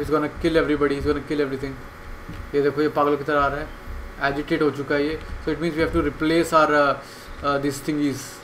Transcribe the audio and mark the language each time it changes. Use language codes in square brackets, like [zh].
[en] He's gonna kill everybody. He's gonna kill everything. [hi] ये देखो ये पागलों की तरह आ रहा है. Agitated हो चुका है ये. [en] So it means we have to replace our these thingies.